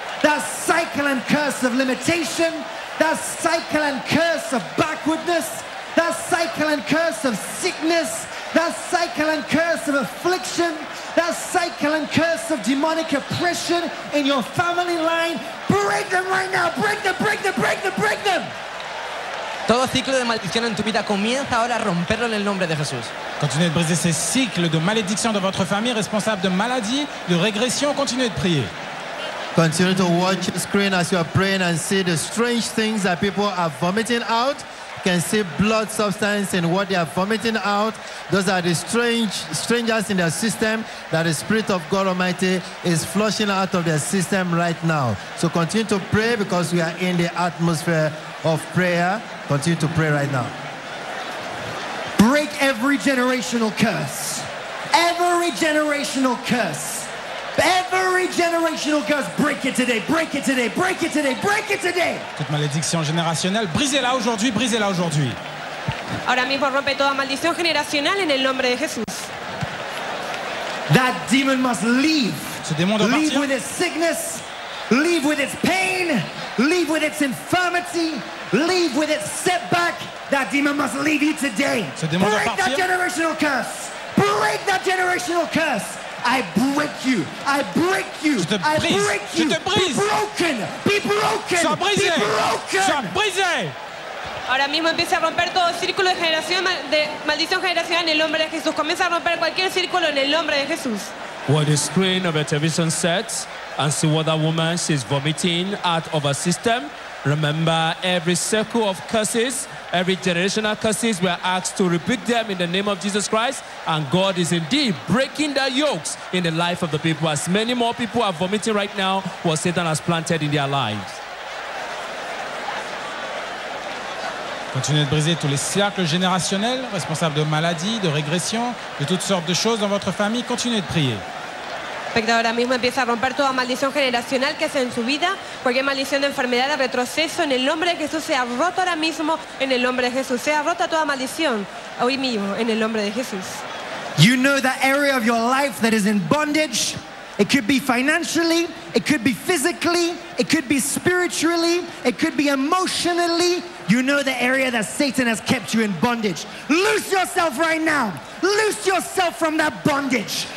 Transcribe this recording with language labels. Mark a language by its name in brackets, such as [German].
[English] That cycle and curse of limitation, that cycle and curse of backwardness, that cycle and curse of sickness, that cycle and curse of affliction, that cycle and curse of demonic oppression in your family line, break them right now, break them, break them, break them, break them! [Spanish] Todo ciclo de maldición en tu vida comienza ahora a romperlo en el nombre de Jesús. [French] Continuez de briser ces cycles de malédiction de votre famille responsable de maladies, de régression, continuez de prier. [English] Continue to watch the screen as you are praying and see the strange things that people are vomiting out. You can see blood substance in what they are vomiting out. Those are the strangers in their system that the Spirit of God Almighty is flushing out of their system right now. So continue to pray because we are in the atmosphere of prayer. Continue to pray right now. Break every generational curse. Every generational curse. Every generational curse, break it today, break it today, break it today, break it today. [French] Toute malédiction générationnelle, brisez-la aujourd'hui, brisez-la aujourd'hui. [Spanish] Ahora mismo rompe toda maldición generacional en el nombre de Jesús. [English] That demon must leave. [French] Ce démon doit [English] leave [French] partir. [English] With its sickness, leave with its pain, leave with its infirmity, leave with its setback. That demon must leave you today. [French] Ce démon [English] break [French] doit partir. [English] That generational curse. Break that generational curse. I break you. I break you. [French] Je te brise. [English] I break you. [French] Je te brise. [English] Be broken. Be broken. [French] Sois brisé. [English] Be broken. [French] Sois brisé. [Spanish] Ahora mismo empieza a romper todo círculo de generación de maldición generacional en el nombre de Jesús. Comienza a romper cualquier círculo en el nombre de Jesús. [English] What the screen of a television sets and see what that woman she's vomiting out of her system. Remember, every circle of curses, every generational curses, we are asked to rebuke them in the name of Jesus Christ. And God is indeed breaking the yokes in the life of the people. As many more people are vomiting right now, what Satan has planted in their lives. [French] Continuez de briser tous les cercles générationnels, responsables de maladies, de régressions, de toutes sortes de choses dans votre famille. Continuez de prier. [Spanish] Ahora mismo empieza a romper toda maldición generacional que sea en su vida, cualquier maldición de enfermedad, de retroceso, en el nombre de Jesús sea roto ahora mismo, en el nombre de Jesús sea rota toda maldición, hoy mismo en el nombre de Jesús. [English] You know that area of your life that is in bondage, it could be financially, it could be physically, it could be spiritually, it could be emotionally, you know the area that Satan has kept you in bondage. Loose yourself right now. Loose yourself from that bondage.